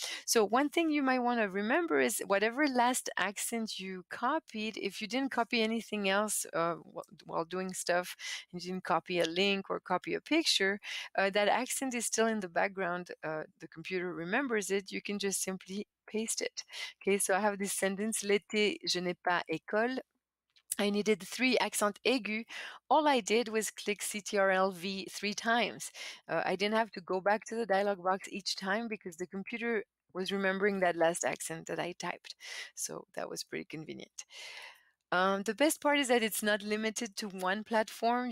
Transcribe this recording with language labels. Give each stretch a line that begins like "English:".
English: So one thing you might want to remember is whatever last accent you copied, if you didn't copy anything else while doing stuff, and you didn't copy a link or copy a picture, that accent is still in the background. The computer remembers it. You can just simply paste it. Okay, so I have this sentence,
French: l'été je n'ai pas école.
English: I needed three accent aigu. All I did was click CTRL-V three times. I didn't have to go back to the dialog box each time because the computer was remembering that last accent that I typed. So that was pretty convenient. The best part is that it's not limited to one platform.